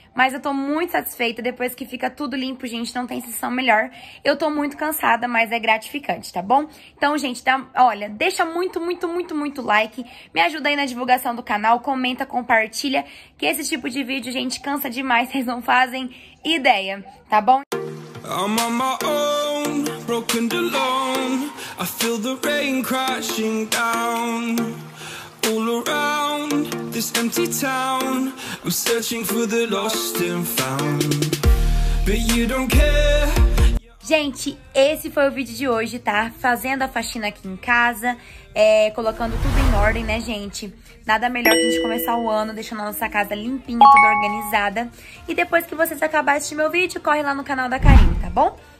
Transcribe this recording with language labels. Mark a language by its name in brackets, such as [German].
[Portuguese] Mas eu tô muito satisfeita, depois que fica tudo limpo, gente, não tem sensação melhor. Eu tô muito cansada, mas é gratificante, tá bom? Então, gente, olha, deixa muito, muito, muito, muito like. Me ajuda aí na divulgação do canal, comenta, compartilha. Que esse tipo de vídeo, gente, cansa demais, vocês não fazem ideia, tá bom? [English] I'm on my own, broken alone. I feel the rain crashing down. All around this empty town, I'm searching for the lost and found. But you don't care. [Portuguese] Gente, esse foi o vídeo de hoje, tá? Fazendo a faxina aqui em casa, colocando tudo em ordem, né, gente? Nada melhor que a gente começar o ano deixando a nossa casa limpinha, tudo organizada. E depois que vocês acabarem de assistir meu vídeo, corre lá no canal da Karim, tá bom?